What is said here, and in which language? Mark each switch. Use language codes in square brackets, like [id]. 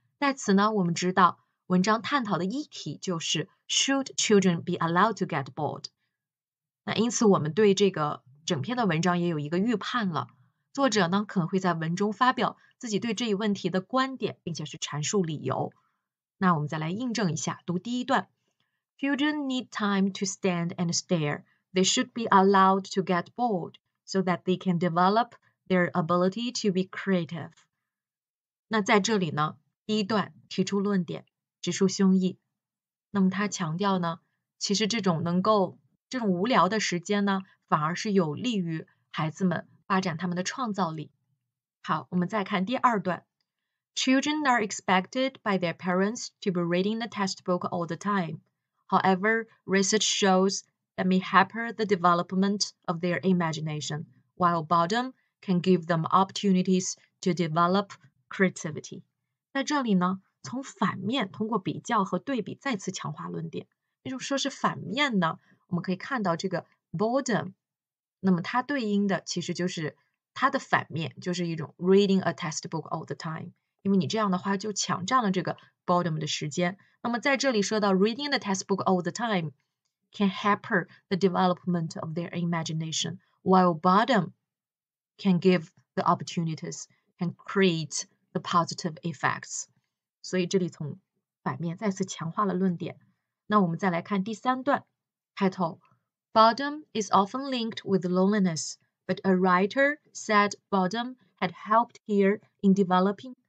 [zh] 在此呢，我们知道文章探讨的议题就是 [en] Should children be allowed to get bored? [zh] 那因此我们对这个整篇的文章也有一个预判了。作者呢可能会在文中发表自己对这一问题的观点，并且是阐述理由。那我们再来印证一下，读第一段。 [en] Children need time to stand and stare. They should be allowed to get bored so that they can develop their ability to be creative. [zh] 那在这里呢，第一段提出论点，直抒胸臆。那么他强调呢，其实这种无聊的时间呢，反而是有利于孩子们发展他们的创造力。好，我们再看第二段。 [en] Children are expected by their parents to be reading the textbook all the time. However, research shows that may hamper the development of their imagination, while boredom can give them opportunities to develop creativity. [zh] 在这里呢，从反面通过比较和对比再次强化论点。为什么说是反面呢？我们可以看到这个 boredom， 那么它对应的其实就是它的反面，就是一种 [en] reading a textbook all the time。 [zh] 因为你这样的话就抢占了这个 boredom 的时间。那么在这里说到 [en] reading the textbook all the time can hamper the development of their imagination, while boredom can give the opportunities and create the positive effects。 [zh] 所以这里从反面再次强化了论点。那我们再来看第三段，开头 ，Boredom [en] is often linked with loneliness, but a writer said boredom had helped her in developing.